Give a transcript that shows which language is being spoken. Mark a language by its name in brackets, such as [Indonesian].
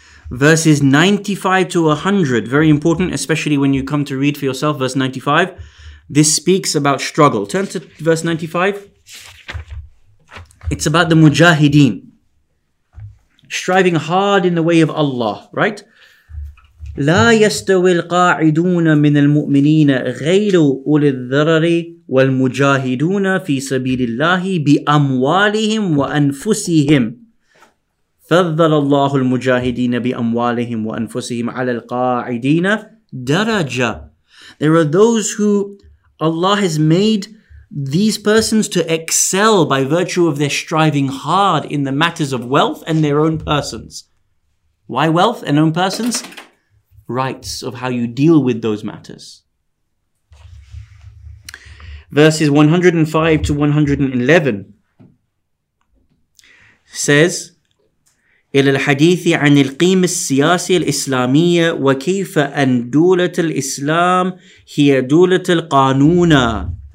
[English] Verses 95 to 100, very important, especially when you come to read for yourself, verse 95. This speaks about struggle. Turn to verse 95. It's about the mujahideen. Striving hard in the way of Allah, right? [Arabic] لا يستوي القاعدون من المؤمنين غير أولي الضرر والمجاهدون في سبيل الله بأموالهم وأنفسهم فضل الله المجاهدين بأموالهم وأنفسهم على القاعدين درجة. [English] There are those who Allah has made these persons to excel by virtue of their striving hard in the matters of wealth and their own persons. Why wealth and own persons? Rights of how you deal with those matters. Verses 105 to 111 says, [Arabic] إلى الحديث عن القيم السياسي الإسلامية وكيف أن دولة الإسلام هي دولة القانون.